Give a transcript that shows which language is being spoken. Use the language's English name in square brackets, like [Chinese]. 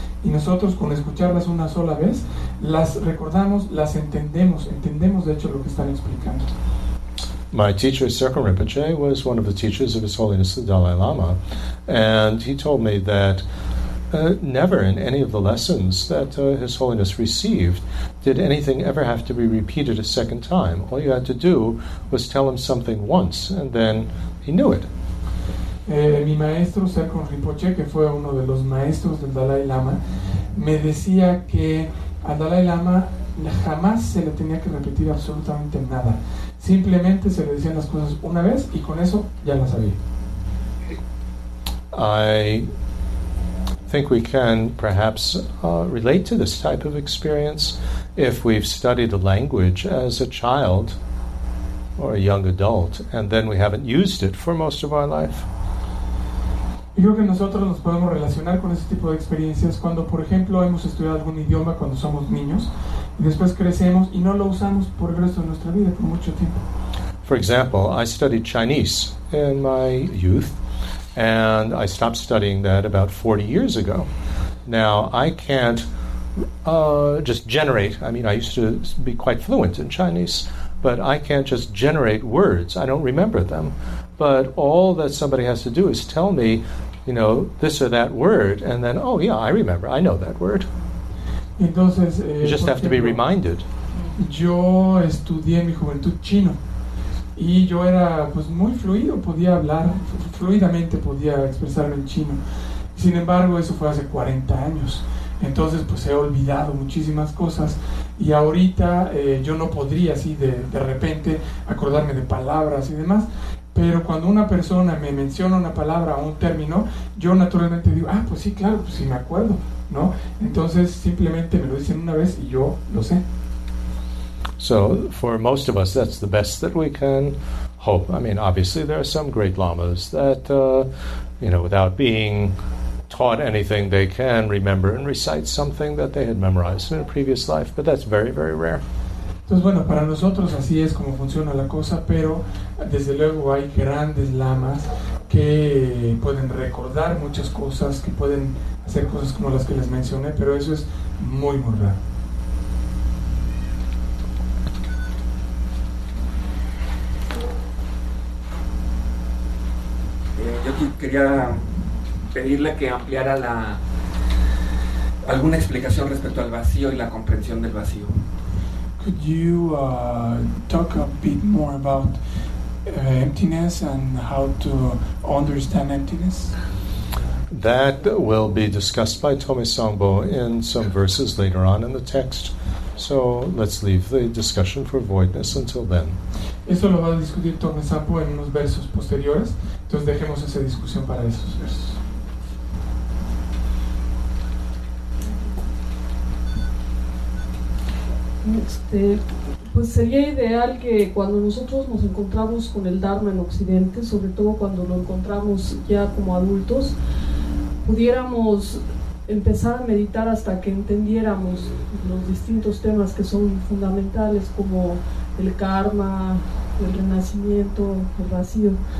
[Spanish] Y nosotros, con escucharlas una sola vez, las recordamos, las entendemos. Entendemos, de hecho, lo que están explicando. [English] My teacher, Sirkhan Rinpoche, was one of the teachers of His Holiness the Dalai Lama. And he told me that never in any of the lessons that His Holiness received did anything ever have to be repeated a second time. All you had to do was tell him something once, and then he knew it. [Spanish] Mi maestro, Sirkhan Rinpoche, que fue uno de los maestros del Dalai Lama, me decía que al Dalai Lama jamás se le tenía que repetir absolutamente nada. Simplemente se le decían las cosas una vez y con eso ya las sabía. [English] I think we can perhaps relate to this type of experience if we've studied a language as a child or a young adult and then we haven't used it for most of our life. [Spanish] Y creo que nosotros nos podemos relacionar con ese tipo de experiencias cuando, por ejemplo, hemos estudiado algún idioma cuando somos niños y después crecemos y no lo usamos por el resto de nuestra vida, por mucho tiempo. [English] For example, I studied Chinese in my youth and I stopped studying that about 40 years ago. Now, I can't just generate, I used to be quite fluent in Chinese, but I can't just generate words. I don't remember them. But all that somebody has to do is tell me, you know, this or that word, and then, oh yeah, I remember, I know that word. [Spanish] Entonces, [English] you just have to be reminded. [Spanish] Yo estudié en mi juventud chino, y yo era pues muy fluido, podía hablar, fluidamente podía expresarme en chino. Sin embargo, eso fue hace 40 años. Entonces, pues he olvidado muchísimas cosas y ahorita yo no podría así de repente acordarme de palabras y demás. Pero cuando una persona me menciona una palabra o un término, yo naturalmente digo, ah, pues sí, claro, pues sí me acuerdo, ¿no? Entonces simplemente me lo dicen una vez y yo lo sé. [English] So, for most of us, that's the best that we can hope. I mean, obviously, there are some great lamas that, without being taught anything, they can remember and recite something that they had memorized in a previous life, but that's very, very rare. [Spanish] Entonces, bueno, para nosotros así es como funciona la cosa, pero desde luego hay grandes lamas que pueden recordar muchas cosas, que pueden hacer cosas como las que les mencioné, pero eso es muy, muy raro. Yo quería pedirle que ampliara alguna explicación respecto al vacío y la comprensión del vacío. [English] Could you talk a bit more about emptiness and how to understand emptiness? That will be discussed by Tome Sangbo in some verses later on in the text. So let's leave the discussion for voidness until then. [Spanish] Eso lo va a discutir Tome Sangbo en unos versos posteriores. Entonces dejemos esa discusión para esos versos. Pues sería ideal que cuando nosotros nos encontramos con el Dharma en Occidente, sobre todo cuando lo encontramos ya como adultos, pudiéramos empezar a meditar hasta que entendiéramos los distintos temas que son fundamentales, como el karma, el renacimiento, el vacío.